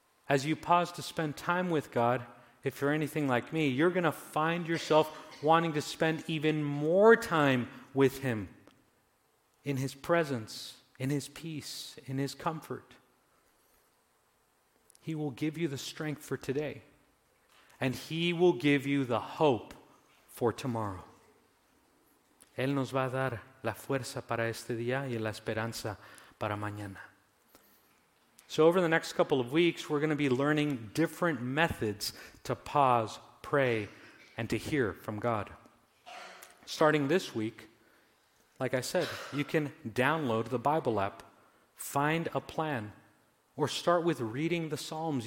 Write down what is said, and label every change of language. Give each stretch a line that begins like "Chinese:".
English: As you pause to spend time with God, if you're anything like me, you're going to find yourself wanting to spend even more time with Him, in His presence, in His peace, in His comfort. He will give you the strength for today, and He will give you the hope for tomorrow.
Spanish: Él nos va a dar la fuerza para este día y la esperanza para mañana.
English: So over the next couple of weeks, we're going to be learning different methods to pause, pray, and to hear from God. starting this week, like I said, you can download the Bible app, find a plan, or start with reading the Psalms.